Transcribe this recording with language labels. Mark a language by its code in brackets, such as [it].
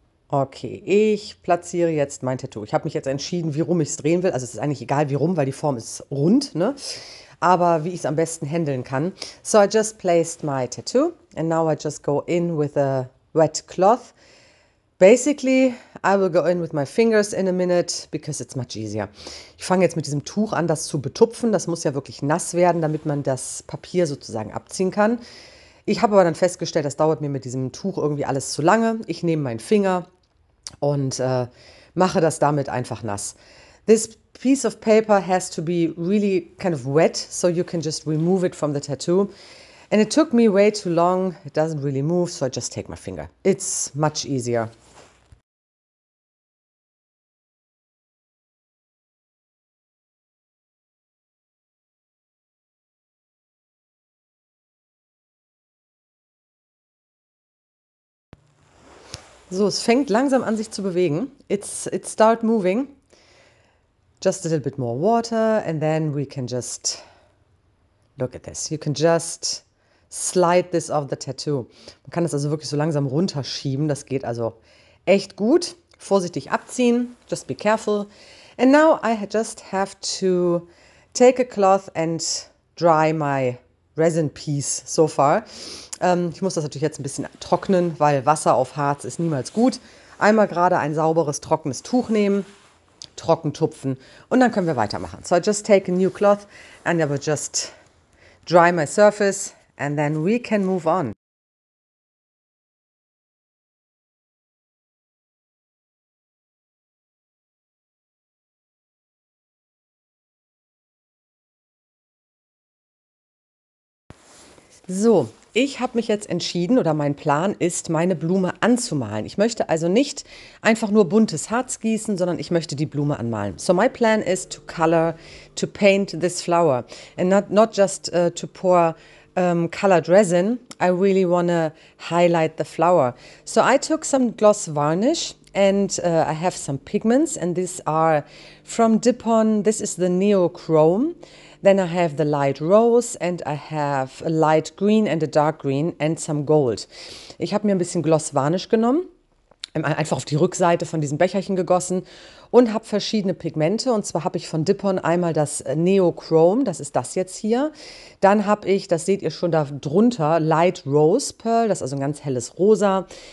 [de] Okay, ich platziere jetzt mein Tattoo. Ich habe mich jetzt entschieden, wie rum ich es drehen will. Also es ist eigentlich egal, wie rum, weil die Form ist rund, ne? Aber wie ich es am besten handeln kann. [en] So I just placed my tattoo and now I just go in with a wet cloth. Basically, I will go in with my fingers in a minute because it's much easier. [de] Ich fange jetzt mit diesem Tuch an, das zu betupfen. Das muss ja wirklich nass werden, damit man das Papier sozusagen abziehen kann. Ich habe aber dann festgestellt, das dauert mir mit diesem Tuch irgendwie alles zu lange. Ich nehme meinen Finger und mache das damit einfach nass. [en] This piece of paper has to be really kind of wet, so you can just remove it from the tattoo. And it took me way too long. It doesn't really move, so I just take my finger. It's much easier. [de] So, es fängt langsam an, sich zu bewegen. [en] It start moving. Just a little bit more water and then we can just look at this. You can just slide this off the tattoo. [de] Man kann das also wirklich so langsam runterschieben. Das geht also echt gut. Vorsichtig abziehen. [en] Just be careful. And now I just have to take a cloth and dry my resin piece so far. [de] Ich muss das natürlich jetzt ein bisschen trocknen, weil Wasser auf Harz ist niemals gut. Einmal gerade ein sauberes, trockenes Tuch nehmen. Trocken tupfen und dann können wir weitermachen. [en] So I just take a new cloth and I will just dry my surface and then we can move on. [de] So, ich habe mich jetzt entschieden oder mein Plan ist, meine Blume anzumalen. Ich möchte also nicht einfach nur buntes Harz gießen, sondern ich möchte die Blume anmalen. [en] So my plan is to color, to paint this flower and not just to pour colored resin. I really want to highlight the flower. So I took some gloss varnish And I have some pigments, and these are from Dipon. This is the Neochrome. Then I have the light rose, and I have a light green and a dark green and some gold. [de] Ich habe mir ein bisschen Gloss Varnish genommen, einfach auf die Rückseite von diesem Becherchen gegossen und habe verschiedene Pigmente. Und zwar habe ich von Dipon einmal das Neochrome, das ist das jetzt hier. Dann habe ich, das seht ihr schon da drunter, Light Rose Pearl, das ist also ein ganz helles Rosa.